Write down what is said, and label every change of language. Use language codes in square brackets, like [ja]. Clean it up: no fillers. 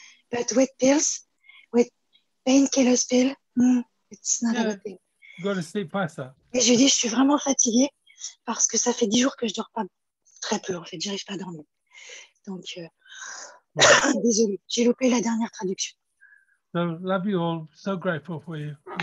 [en] But with pills, with painkillers pill, it's not a good thing. Go to sleep past that. [fr] Et je lui dis, je suis vraiment fatiguée parce que ça fait 10 jours que je dors pas très peu, en fait, j'arrive pas à dormir. Donc, désolée, j'ai loupé la dernière traduction. [en] So, love you all, so grateful for you.